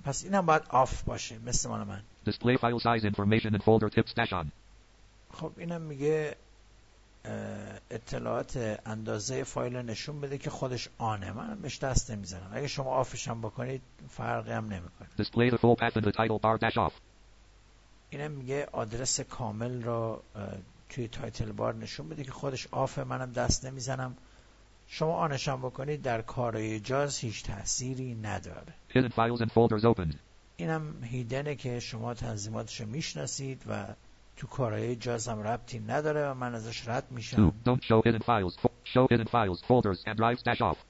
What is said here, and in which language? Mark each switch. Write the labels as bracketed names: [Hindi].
[Persian] پس اینم باید آف باشه مثل مال من [English] display file size information and folder tips dash on [Persian] خب اینم میگه اطلاعات اندازه فایل نشون بده که خودش آنه. من بهش دست نمیزنم. اگه شما آفش هم بکنید فرقی هم نمیکنه. [English] Display the full path in the title bar dash off. [Persian] اینه میگه آدرس کامل را توی تایتل بار نشون بده که خودش آفه، منم دست نمیزنم. شما آنش هم بکنید در کارای جاز هیچ تأثیری نداره. [English] Hidden files and folders opened. [Persian] اینم هیدنه که شما تنظیماتش میشناسید و تو کارای جاز هم ربطی نداره و من ازش رد میشم. [English] Two. Don't show hidden files. Show hidden files, folders and drives dash off.